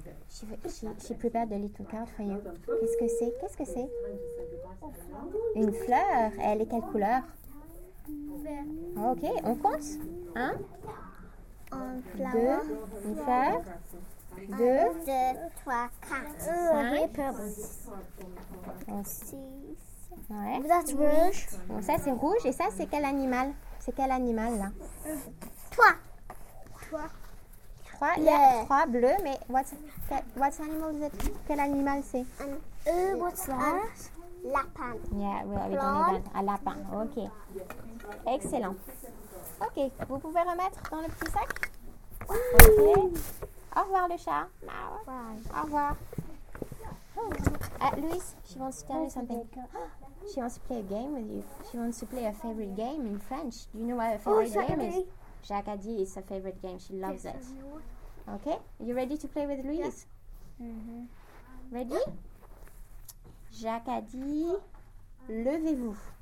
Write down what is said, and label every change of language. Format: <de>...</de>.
<en>She prepared a little card for you.</en> <fr>Qu'est-ce que c'est? Qu'est-ce que c'est? Une fleur. Elle est quelle couleur? Ok, on compte? Un. Deux. Une fleur. Deux. Deux, trois, quatre, cinq. Six. Ouais.</fr> <en>That's</en> <fr>rouge. Bon, ça c'est rouge et ça c'est quel animal? C'est quel animal là? Trois. Trois. Il y a trois bleus, mais</fr> <en>what's animal is it?</en> <fr>Quel animal c'est?</fr> <en>What's that? Lapin. Yeah, we don't need that.</en> <fr>Un lapin.</fr> <en>Ok. Excellent.</en> <fr>Ok, vous pouvez remettre dans le petit sac. Ok. Au revoir le chat.</fr> <en>Bye.</en> <fr>Au revoir.</fr> <en>Louis, she wants to tell you something. She wants to play a game with you. She wants to play a favorite game in French. Do you know what her favorite game is? Jacques a dit it's her favorite game. She loves it. Okay? Are you ready to play with Louise? Yeah. Mm-hmm. Ready?</en> <fr>Jacques a dit, levez-vous.</fr>